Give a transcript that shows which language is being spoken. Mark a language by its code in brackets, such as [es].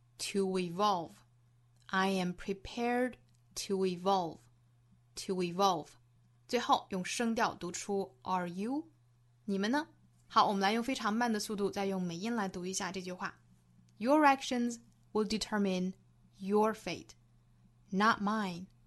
[en] To evolve I am prepared to evolve [zh] 最后用声调读出 [en] Are you? [zh] 你们呢？好，我们来用非常慢的速度再用美音来读一下这句话。 [en] Your actions will determine your fate, not mine.